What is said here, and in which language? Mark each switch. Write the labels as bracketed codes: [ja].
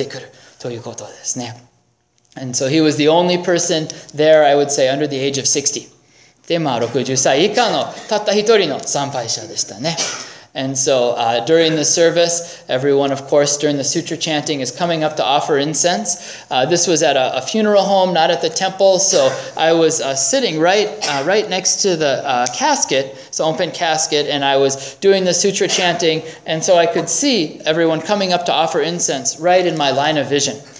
[ja] そして、お葬式が入った時は、孫は木曜日にお葬式があるから、じゃあ孫をお葬式に連れてくるということですね。 [en] And so he was the only person there, I would say, under the age of 60. [ja] で、60歳以下のたった一人の参拝者でしたね。And [en] so during the service, everyone, of course, during the sutra chanting is coming up to offer incense. This was at a funeral home, not at the temple, so I was sitting right next to the casket, so open casket, and I was doing the sutra chanting, and so I could see everyone coming up to offer incense right in my line of vision.